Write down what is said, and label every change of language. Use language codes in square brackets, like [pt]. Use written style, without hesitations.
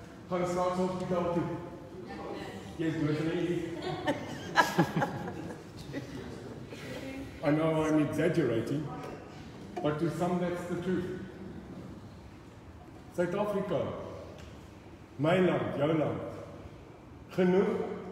[af] Gaan straks hospitaal toe. Jy is dood, nee. [en] I know I'm exaggerating, but to some that's the truth. [af] Suid-Afrika, my land, jou land, genoeg?